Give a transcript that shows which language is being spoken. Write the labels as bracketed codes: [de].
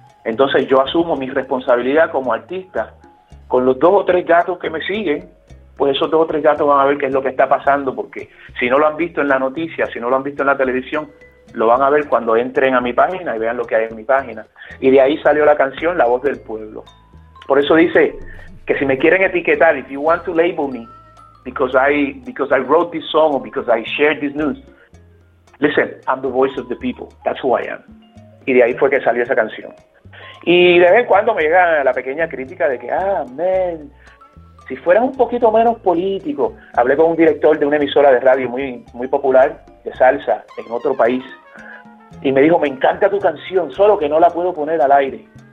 [es] Entonces yo asumo mi responsabilidad como artista, con los dos o tres gatos que me siguen, pues esos dos o tres gatos van a ver qué es lo que está pasando, porque si no lo han visto en la noticia, si no lo han visto en la televisión, lo van a ver cuando entren a mi página y vean lo que hay en mi página. Y de ahí salió la canción La Voz del Pueblo. Por eso dice que si me quieren etiquetar, [en] if you want to label me because I wrote this song or because I shared this news, listen, I'm the voice of the people, that's who I am. [es] Y de ahí fue que salió esa canción. Y de vez en cuando me llega la pequeña crítica de que, man, si fueras un poquito menos político. Hablé con un director de una emisora de radio muy, muy popular, de salsa, en otro país, y me dijo: me encanta tu canción, solo que no la puedo poner al aire.